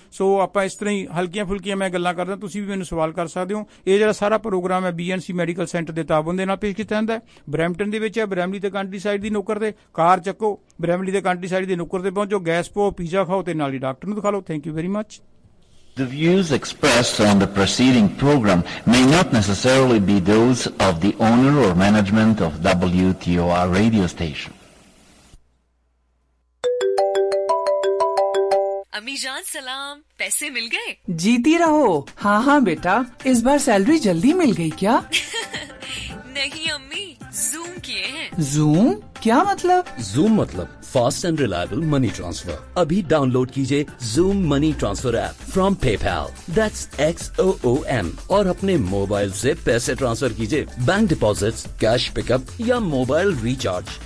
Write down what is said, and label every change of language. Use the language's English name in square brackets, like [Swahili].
[Punjabi] ਸੋ ਆਪਾਂ ਇਸ ਤਰ੍ਹਾਂ ਹੀ ਹਲਕੀਆਂ ਫੁਲਕੀਆਂ ਮੈਂ ਗੱਲਾਂ ਕਰਦਾ, ਤੁਸੀਂ ਵੀ ਮੈਨੂੰ ਸਵਾਲ ਕਰ ਸਕਦੇ ਹੋ। ਇਹ ਜਿਹੜਾ ਸਾਰਾ ਪ੍ਰੋਗਰਾਮ ਹੈ BNC ਮੈਡੀਕਲ ਸੈਂਟਰ ਦੇ ਤਾਬੋਂ ਦੇ ਨਾਲ ਪੇਸ਼ ਕੀਤਾ ਜਾਂਦਾ, ਬਰੈਂਪਟਨ ਦੇ ਵਿੱਚ ਹੈ, ਬਰੈਮਲੀ ਅਤੇ ਕੰਟਰੀ ਸਾਈਡ ਦੀ ਨੁੱਕਰ 'ਤੇ ਕਾਰ ਚੱਕੋ, ਬਰੈਮਲੀ ਅਤੇ ਕੰਟਰੀ ਸਾਈਡ ਦੀ ਨੁੱਕਰ 'ਤੇ ਪਹੁੰਚੋ, ਗੈਸ ਪਵੋ, ਪੀਜ਼ਾ ਖਾਓ ਅਤੇ ਨਾਲ ਹੀ ਡਾਕਟਰ ਨੂੰ ਦਿਖਾ ਲਓ। [English] Thank you very much. The views expressed on the preceding program may not necessarily be those of the owner or management of WTOR radio station. [Hindi] अम्मी जान सलाम, पैसे मिल गए? जीती रहो। हाँ हाँ बेटा, इस बार सैलरी जल्दी मिल गई क्या? नहीं अम्मी, Zoom किए हैं। Zoom? क्या मतलब? Zoom मतलब [English] Fast and reliable money transfer. [Hindi] अभी डाउनलोड कीजिए Zoom money transfer app [English] from PayPal, that's XOOM, [Hindi] और अपने मोबाइल से पैसे ट्रांसफर कीजिए, बैंक डिपॉजिट्स, कैश पिकअप या मोबाइल रिचार्ज।